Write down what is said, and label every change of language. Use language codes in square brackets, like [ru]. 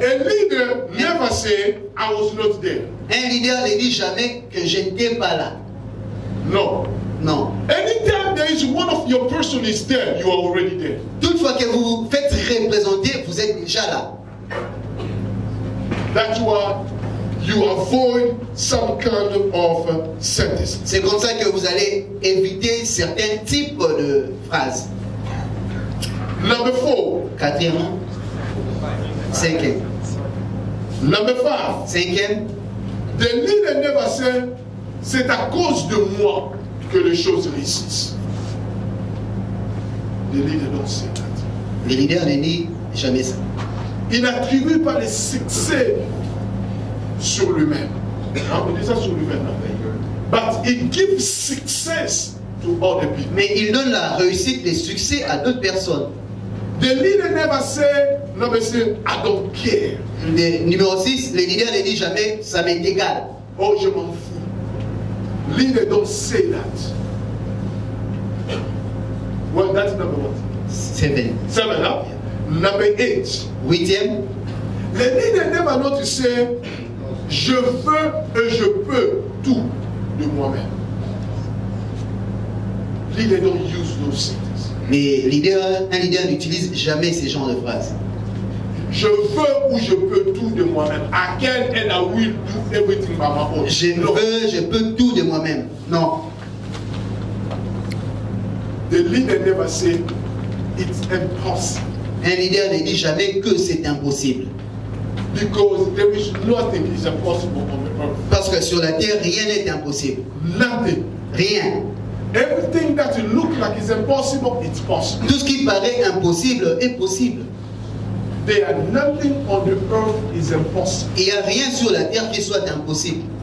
[en] A leader never say I was not there. [fr] Un leader ne dit jamais que je n'étais pas là. Non. Non. [en] Anytime there is one of your person is there, you are already there. [fr] Toutefois que vous vous faites représenter, vous êtes déjà là. [en] That's why you avoid some kind of sentence. [fr] C'est comme ça que vous allez éviter certains types de phrases. [en] Number four. [fr] Quatrième. Cinquième. [en] Number five. [fr] Cinquième. [en] The leader never said, [fr] c'est à cause de moi que les choses réussissent. [en] The leader don't say that. [fr] Le leader ne dit jamais ça. Il n'attribue pas le succès sur lui-même. On dit ça sur lui-même. [en] But he gives success to other people. [fr] Mais il donne la réussite, le succès à d'autres personnes. [en] The leader never said, number six, I don't care. [fr] Le numéro 6, le leader ne dit jamais ça m'est égal. Oh, je m'en fous. [en] Leader don't say that. Well, that's number what? Seven, huh? Yeah. Number 8. [fr] Huitième. Le leader [en] never not to say [fr] je veux et je peux tout de moi-même. [en] Leader don't use those sentences. [fr] Mais un leader n'utilise jamais ce genre de phrases. Je veux ou je peux tout de moi-même. [en] I can and I will do everything by my own. [fr] Je non. Veux, je peux tout de moi-même. Non. [en] The leader never said it's impossible. [fr] Un leader ne dit jamais que c'est impossible. [en] because there is nothing is impossible on the earth. [fr] Parce que sur la terre, rien n'est impossible. [en] Nothing. [fr] Rien. [en] Everything that you look like is impossible, it's possible. [fr] Tout ce qui paraît impossible est possible. [en] There are nothing on the earth is impossible. [fr] Il n'y a rien sur la terre qui soit impossible.